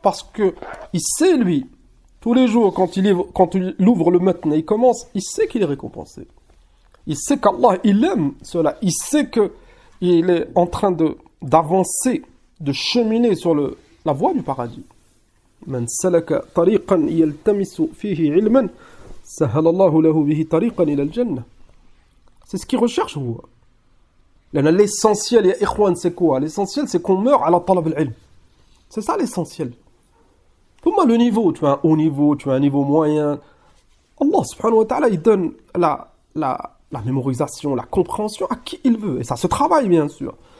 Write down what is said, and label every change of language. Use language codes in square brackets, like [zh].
[fr] Parce que il sait, lui, tous les jours, quand il ouvre le matin et il commence, il sait qu'il est récompensé. Il sait qu'Allah, il aime cela. Il sait qu'il est en train d'avancer, de cheminer sur la voie du paradis. [ar] من سلك طريقا يلتمس فيه علما سهل الله له به طريقا الى الجنه. [fr] C'est ce qu'il recherche, vous. L'essentiel, ya ikhwan, c'est quoi? L'essentiel, c'est qu'on meurt à la talab al-ilm. C'est ça l'essentiel. Pour moi, le niveau, tu as un haut niveau, tu as un niveau moyen. Allah subhanahu wa ta'ala, il donne la mémorisation, la compréhension à qui il veut. Et ça se travaille, bien sûr.